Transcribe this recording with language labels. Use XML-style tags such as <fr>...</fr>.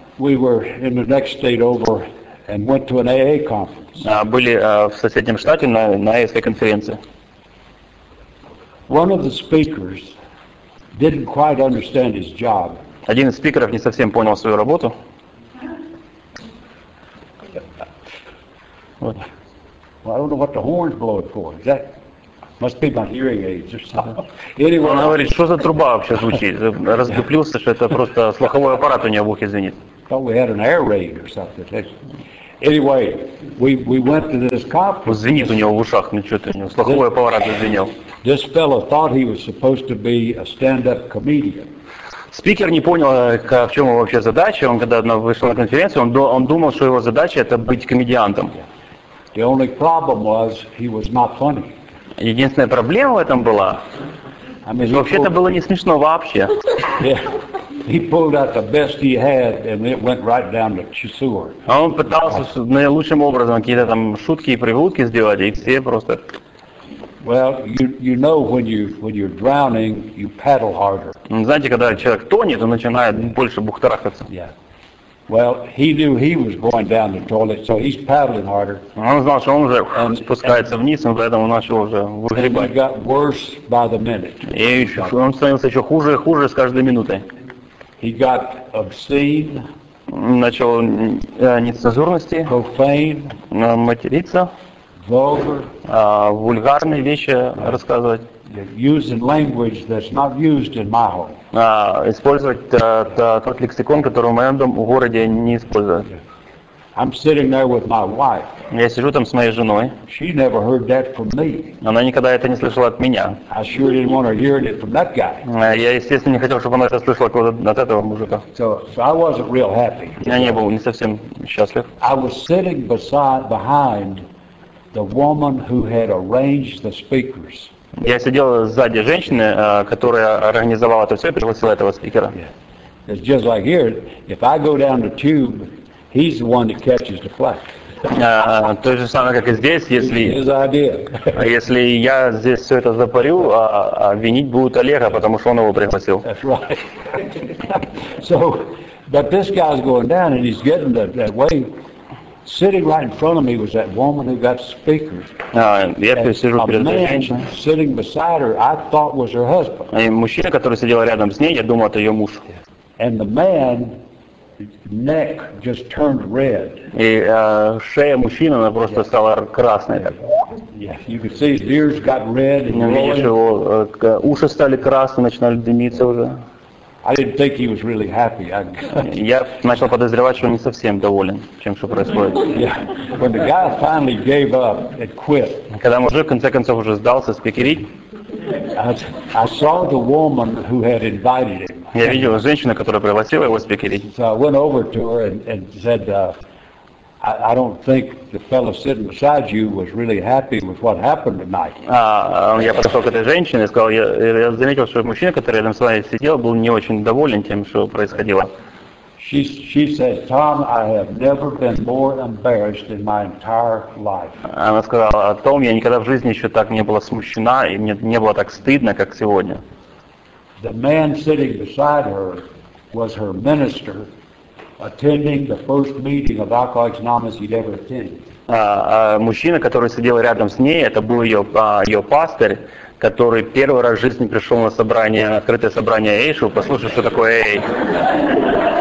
<en>We were in the next state over. And went to an AA conference.</en> <ru>Были в соседнем штате на AA конференции.</ru> <en>One of the speakers didn't quite understand his job.</en> <ru>Один из спикеров не совсем понял свою работу.</ru> <en>Well, I don't know what the horn's blowing for. Is that Must be my hearing aids or something.</en> <ru>Anyway, она говорит, что за труба вообще звучит? Раздуплился, что это просто слуховой аппарат у нее в ухе звенит.</ru> <en>Thought we had an air raid or something. Anyway, we went to this conference.</en> <ru>Вот звенит у него в ушах, ну что ты, слуховой аппарат звенел.</ru> <en>This fellow thought he was supposed to be a stand-up comedian.</en> <ru>Спикер не понял, в чем его вообще задача. Он когда вышел на конференцию, он думал, что его задача это быть комедиантом.</ru> <en>The only problem was he was not funny.</en> <ru>Единственная проблема в этом была, вообще-то было не смешно вообще.</ru> <en>He pulled out the best he had, and it went right down to the sewer.</en> <ru>Он пытался наилучшим образом какие-то там шутки и прибутки сделать, и все просто.</ru> <en>Well, you know when you're drowning, you paddle harder.</en> <ru>Знаете, когда человек тонет, он начинает больше бухтарахаться.</ru> <en>Yeah. Well, he knew he was going down the toilet, so he's paddling harder.</en> <ru>Он знал, что он уже спускается вниз, и поэтому начал уже выгребать.</ru> <en>He got worse by the minute.</en> <ru>И он становился еще хуже и хуже с каждой минутой.</ru> <en>He got obscene.</en> <ru>Начал нецензурности.</ru> <en>Profane.</en> <ru>Материться.</ru> <en>Vulgar.</en> <ru>Вульгарные вещи рассказывать.</ru> <en>Using language that's not used in my home.</en> <ru>Использовать тот лексикон, который в моем городе не используют.</ru> <en>I'm sitting there with my wife.</en> <ru>Я сижу там с моей женой.</ru> <en>She never heard that from me.</en> <ru>Она никогда это не слышала от меня.</ru> <en>I sure didn't want to hear it from that guy.</en> <ru>Я, естественно, не хотел, чтобы она это слышала от этого мужика.</ru> <en>So I wasn't real happy.</en> <ru>Я не был не совсем счастлив.</ru> <en>I was sitting behind the woman who had arranged the speakers.</en> <ru>Я сидел сзади женщины, которая организовала это все и пригласила этого спикера.</ru> <en>Yeah. It's just like here. If I go down the tube, he's the one that catches the flag.</en> <ru>То же самое, как и здесь, если</ru> <en>his idea.</en> <ru>Если я здесь все это запарю, винить будут Олега, потому что он его пригласил.</ru> <en>That's right. So, but this guy's going down and he's getting that wave. Sitting right in front of me was that woman who got speakers. Sitting beside her, I thought was her husband.</en> <ru>И мужчина, который сидел рядом с ней, я думал, это ее муж.</ru> <en>And the man, neck just turned red.</en> <ru>И шея мужчины, она просто стала красной.</ru> <en>Yeah, you could see his ears got red.</en> <ru>Видишь, его уши стали красные, начинали дымиться уже.</ru> <en>I didn't think he was really happy.</en> <ru>Я начал подозревать, что он не совсем доволен тем, что происходит.</ru> <en>Yeah. When the guy finally gave up and quit.</en> <ru>Когда мужик в конце концов уже сдался, спикерить.</ru> <en>I saw the woman who had invited him.</en> <ru>Я видел женщину, которая пригласила его спикерить.</ru> <en>So I went over to her and said, I don't think the fellow sitting beside you was really happy with what happened tonight.</en> <ru>Я подошел к этой женщине и сказал, я заметил, что мужчина, который рядом с вами сидел, был не очень доволен тем, что происходило.</ru> <en>She said, Tom, I have never been more embarrassed in my entire life.</en> <ru>Она сказала, Том, я никогда в жизни еще так не была смущена и мне не было так стыдно, как сегодня.</ru> <en>The man sitting beside her was her minister. Attending the first meeting of Alcoholics Anonymous he'd ever attended.</en> <ru>Мужчина, который сидел рядом с ней, это был ее пастор, который первый раз в жизни пришел на собрание, на открытое собрание AA, чтобы послушать, что такое AA.</ru>